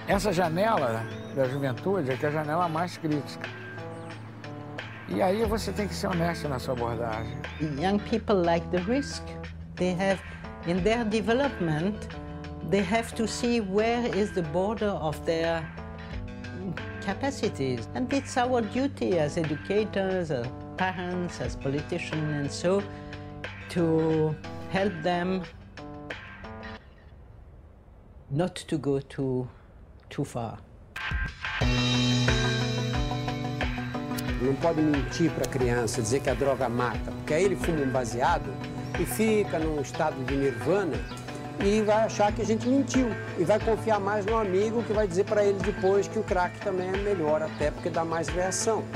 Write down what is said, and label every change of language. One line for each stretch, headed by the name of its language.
Portuguese: Essa janela da juventude é que é a janela mais crítica. E aí você tem que ser honesto na sua abordagem.
English: Young people like the risk. They have, in their development, they have to see where is the border of their capacities. And it's our duty as educators, as parents, as politicians, and so, to help them not to go too far.
Portuguese: Não pode mentir para a criança, dizer que a droga mata, porque aí ele fuma um baseado e fica num estado de nirvana, e vai achar que a gente mentiu. E vai confiar mais no amigo, que vai dizer para ele depois que o crack também é melhor, até porque dá mais reação.